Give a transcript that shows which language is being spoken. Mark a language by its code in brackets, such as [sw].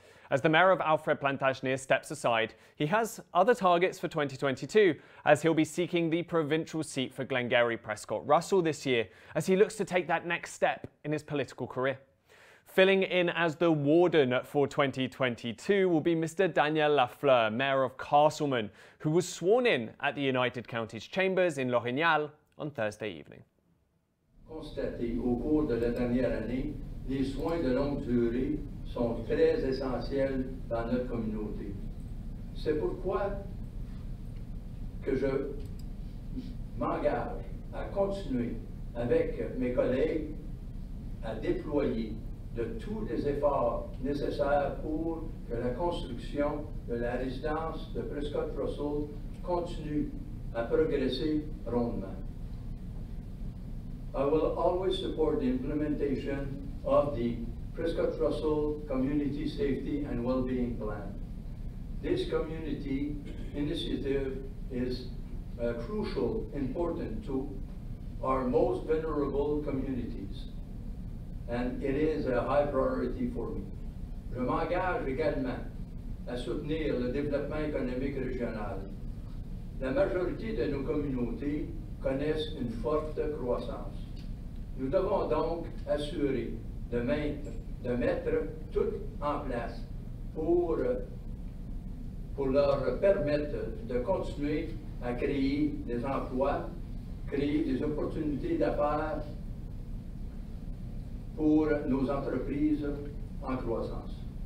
[en] As the mayor of Alfred-Plantagenet steps aside, he has other targets for 2022, as he'll be seeking the provincial seat for glengarry-prescott-russell this year, as he looks to take that next step in his political career. Filling in as the warden for 2022 will be Mr. Daniel Lafleur, mayor of Casselman, who was sworn in at the United Counties Chambers in L'Orignal on Thursday evening. [fr] Constatez au cours de la dernière année, les soins de longue durée sont très essentiels dans notre communauté. C'est pourquoi que je m'engage à continuer avec mes collègues à déployer de tous les efforts nécessaires pour que la construction de la résidence de Prescott-Russell continue à progresser rondement. [en] I will always support the implementation of the Prescott-Russell Community Safety and Well-being Plan. This community initiative is crucial, important to our most vulnerable communities, and it is a high priority for me. [fr] Je m'engage également à soutenir le développement économique régional. La majorité de nos communautés connaissent une forte croissance. Nous devons donc assurer de mettre tout en place pour leur permettre de continuer à créer des emplois, créer des opportunités d'affaires pour nos entreprises en croissance.